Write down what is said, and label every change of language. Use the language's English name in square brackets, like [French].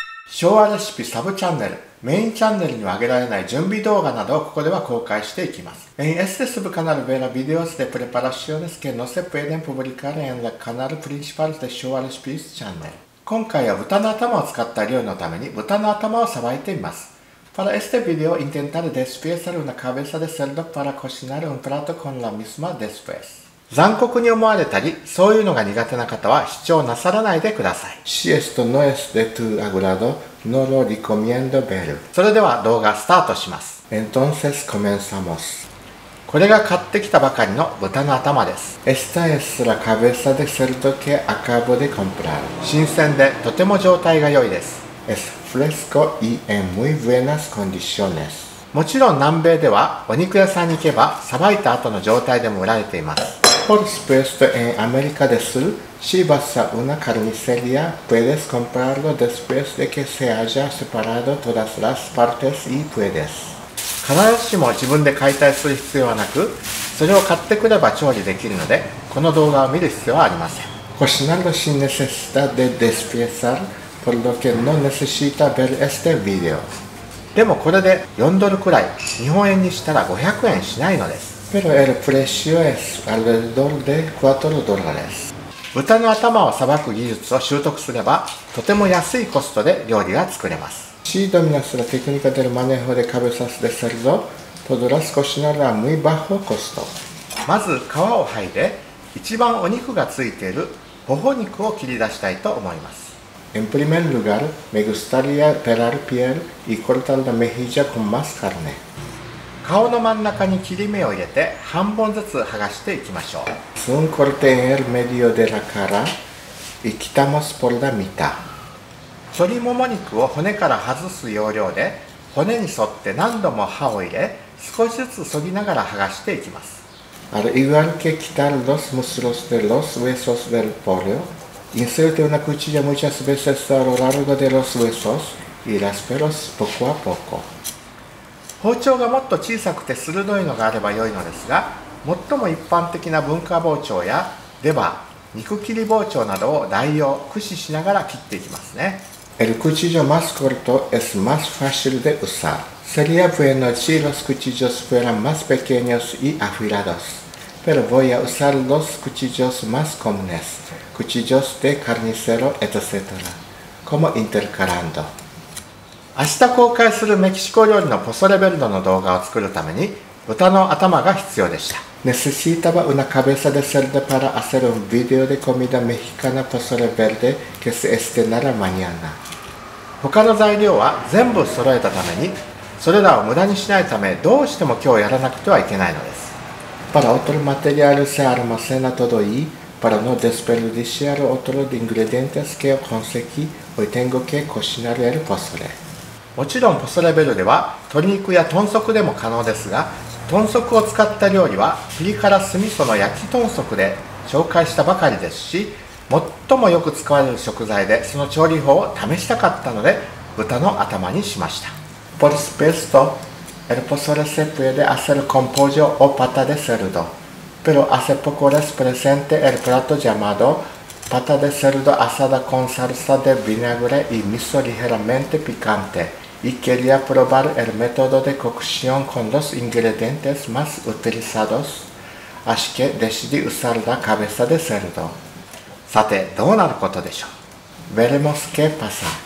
[Japanese] 昭和レシピサブチャンネル、メインチャンネルに上げられない準備動画などをここでは公開していきます。 [Spanish] En este subcanal verá videos de preparaciones que no se pueden publicar en el canal principal de Showa Recipes Channel. [Japanese] 今回は豚の頭を使った料理のために豚の頭をさばいています。 [Spanish] Para este video intentaré despiezar una cabeza de cerdo para cocinar un plato con la misma después. [Japanese] 残酷に思われたり、そういうのが苦手な方は視聴なさらないでください。 [Spanish] Si esto no es de tu agrado, no lo recomiendo ver. [Japanese] それでは動画スタートします。 [Spanish] Entonces comenzamos. [Japanese] これが買ってきたばかりの豚の頭です。 [Spanish] Esta es la cabeza de cerdo que acabo de comprar. [Japanese] 新鮮でとても状態が良いです。 [Spanish] Es fresco y en muy buenas condiciones. [Japanese] もちろん南米ではお肉屋さんに行けばさばいた後の状態でも売られています。 [Spanish] Por supuesto, en América del Sur, si vas a una carnicería, puedes comprarlo después de que se haya separado todas las partes y puedes. [Japanese] 必ずしも自分で解体する必要はなく、それを買ってくれば調理できるので、この動画を見る必要はありません。 [Spanish] Cocinarlo sin necesidad de despiezar, por lo que no necesita ver este video. [Japanese] でもこれで4ドルくらい、日本円にしたら500円しないのです。 [Spanish] Pero el precio es alrededor de 4 dólares. [Japanese] 豚の頭をさばく技術を習得すれば、とても安いコストで料理が作れます。 [Spanish] Si dominas la técnica del manejo de cabezas de cerdo, podrás cocinar a muy bajo costo. [Japanese] まず皮を剥いで、一番お肉がついている頬肉を切り出したいと思います。 [Spanish] En primer lugar, me gustaría pelar piel y cortar la mejilla con más carne. [Japanese] 顔の真ん中に切り目を入れて半分ずつ剥がしていきましょう。 [Spanish] Es un corte en el medio de la cara y quitamos por la mitad. [Japanese] 鶏もも肉を骨から外す要領で骨に沿って何度も刃を入れ少しずつ削ぎながら剥がしていきます。 [Spanish] Al igual que quitar los muslos de los huesos del pollo,Inserte una cuchilla muchas veces a lo largo de los huesos y rasperos poco a poco. [Japanese] 包丁がもっと小さくて鋭いのがあれば良いのですが、最も一般的な文化包丁やレバー、肉切り包丁などを代用、駆使しながら切っていきますね。 [Spanish] El cuchillo más corto es más fácil de usar. Sería bueno si los cuchillos fueran más pequeños y afilados. Pero voy a usar los cuchillos más comunes, cuchillos de carnicero, etc. como intercalando. [Japanese] 明日公開するメキシコ料理のPozole Verdeの動画を作るために豚の頭が必要でした。 [Spanish] Necesitaba una cabeza de cerdo para hacer un video de comida mexicana Pozole Verde que se estrenará mañana. [Japanese] 他の材料は全部揃えたために、それらを無駄にしないためどうしても今日やらなくてはいけないのです。 [Spanish] Para otro material se almacena todo y para no desperdiciar otros ingredientes que conseguí hoy tengo que cocinar el pozole. [Japanese] もちろんポソレベルでは鶏肉や豚足でも可能ですが、豚足を使った料理はピリ辛酢味噌の焼き豚足で紹介したばかりですし、最もよく使われる食材でその調理法を試したかったので豚の頭にしました。 [Spanish] Por supuesto. El pozole se puede hacer con pollo o pata de cerdo, pero hace poco les presenté el plato llamado pata de cerdo asada con salsa de vinagre y miso ligeramente picante y quería probar el método de cocción con los ingredientes más utilizados, así que decidí usar la cabeza de cerdo. [Japanese] さて、どうなることでしょう? [Spanish] Veremos qué pasa.